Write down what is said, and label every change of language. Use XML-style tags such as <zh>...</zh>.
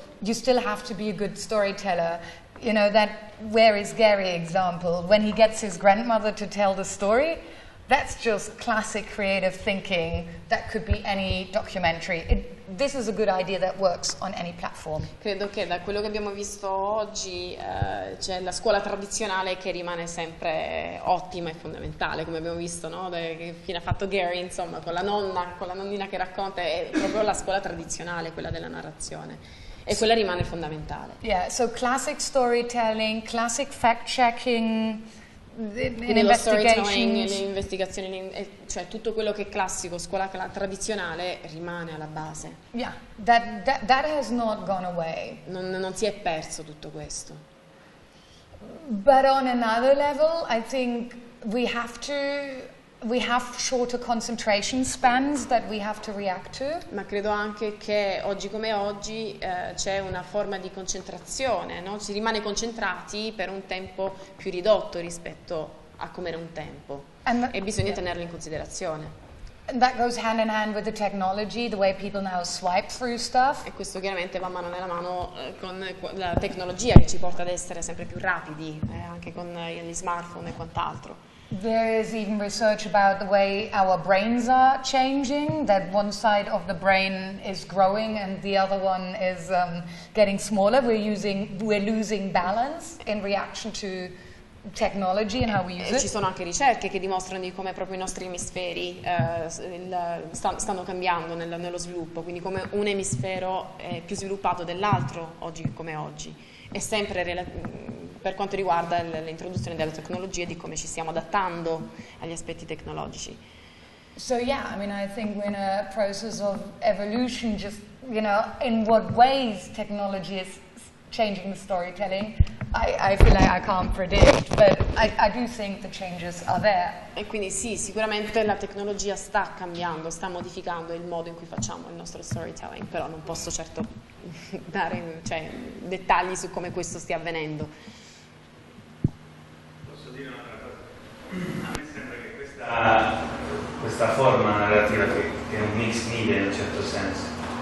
<en>You still have to be a good storyteller. You know, that Where Is Gary example, when he gets his grandmother to tell the story, that's just classic creative thinking. That could be any documentary. This is a good idea that works on any platform.</en> <it>Credo che da quello che abbiamo visto oggi c'è la scuola tradizionale che rimane sempre ottima e fondamentale, come abbiamo visto, no? Che fine ha fatto Gary, insomma, con la nonnina che racconta, è proprio la scuola tradizionale, quella della narrazione. E quella rimane fondamentale.</it> <en>Yeah, so classic storytelling, classic fact-checking,</en> <it>l'investigazione, cioè tutto quello che è classico, scuola tradizionale, rimane alla base.</it> <en>Yeah, that has not gone away.</en> <it>Non si è perso tutto questo.</it> <en>But on another level, I think we have to we have shorter concentration spans that we have to react to.</en> <it>Ma credo anche che oggi come oggi c'è una forma di concentrazione, no? Si rimane concentrati per un tempo più ridotto rispetto a come era un tempo. E bisogna tenerlo in considerazione.</it> <en>And that goes hand in hand with the technology, the way people now swipe through stuff.</en> <it>E questo chiaramente va mano nella mano con la tecnologia che ci porta ad essere sempre più rapidi, anche con gli smartphone e quant'altro.</it> <en>There is even research about the way our brains are changing, that one side of the brain is growing and the other one is getting smaller. We're losing balance in reaction to technology and how we use it.</en> <it>Ci sono anche ricerche che dimostrano di come proprio i nostri emisferi stanno cambiando nello sviluppo, quindi come un emisfero è più sviluppato dell'altro oggi come oggi. È sempre per quanto riguarda l'introduzione della tecnologia e di come ci stiamo adattando agli aspetti tecnologici.</it> <en>So yeah, I mean I think we're in a process of evolution, just you know, in what ways technology is changing the storytelling. I feel like I can't predict, but I do think the changes are there.</en> <it>E quindi sì, sicuramente la tecnologia sta cambiando, sta modificando il modo in cui facciamo il nostro storytelling, però non posso certo dare dettagli su come questo stia avvenendo. Posso dire un'altra cosa? A me sembra che questa forma narrativa che è un mix media in un certo senso.</it>